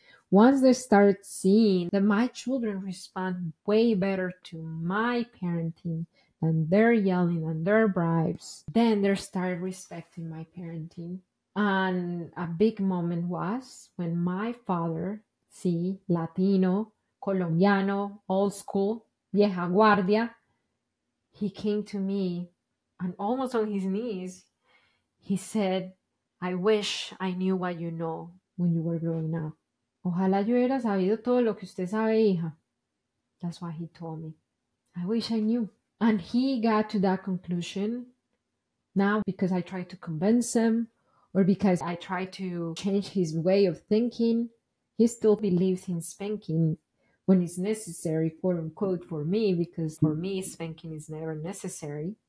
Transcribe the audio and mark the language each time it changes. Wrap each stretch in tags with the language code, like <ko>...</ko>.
<en>Once they start seeing that my children respond way better to my parenting and their yelling and their bribes, then they started respecting my parenting. And a big moment was when my father</en> <es>Sí, latino, colombiano,</es> <en>old school,</en> <es>vieja guardia.</es> <en>He came to me and almost on his knees, he said, "I wish I knew what you know when you were growing up."</en> <es>Ojalá yo hubiera sabido todo lo que usted sabe, hija.</es> <en>That's what he told me. I wish I knew. And he got to that conclusion now because I tried to convince him or because I tried to change his way of thinking. He still believes in spanking when it's necessary, quote unquote, for me, because for me, spanking is never necessary.</en>